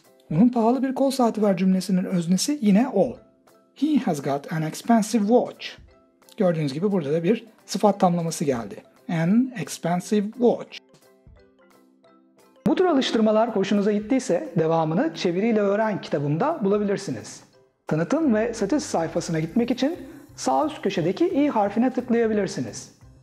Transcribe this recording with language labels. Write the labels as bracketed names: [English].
[Turkish] Onun pahalı bir kol saati var cümlesinin öznesi yine o. [English] He has got an expensive watch. [Turkish] Gördüğünüz gibi burada da bir sıfat tamlaması geldi. [English] An expensive watch. [Turkish] Bu tür alıştırmalar hoşunuza gittiyse devamını çeviriyle öğren kitabımda bulabilirsiniz. Tanıtım ve satış sayfasına gitmek için sağ üst köşedeki i harfine tıklayabilirsiniz.